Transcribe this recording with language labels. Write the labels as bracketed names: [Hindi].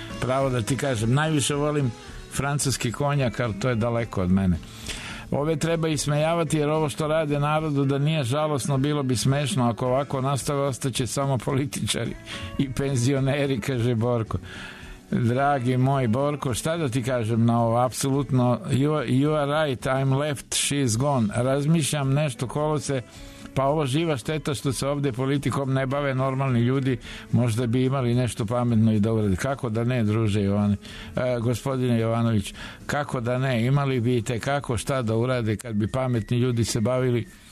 [Serbian] Pravo da ti kažem, najviše volim francuski konjak, ali to je daleko od mene. Ove treba ismejavati, jer ovo što rade narodu, da nije žalosno, bilo bi smešno. Ako ovako nastave, ostaće samo političari i penzioneri, kaže Borko. Dragi moj Borko, šta da ti kažem na ovo? [English] Apsolutno, you are right, I'm left, she's gone. [Serbian] Razmišljam nešto kolo se, pa ovo živa šteta što se ovde politikom ne bave normalni ljudi. Možda bi imali nešto pametno i dobro. Kako da ne, druže Jovani, gospodine Jovanović, kako da ne, imali bi te kako šta da urade kad bi pametni ljudi se bavili.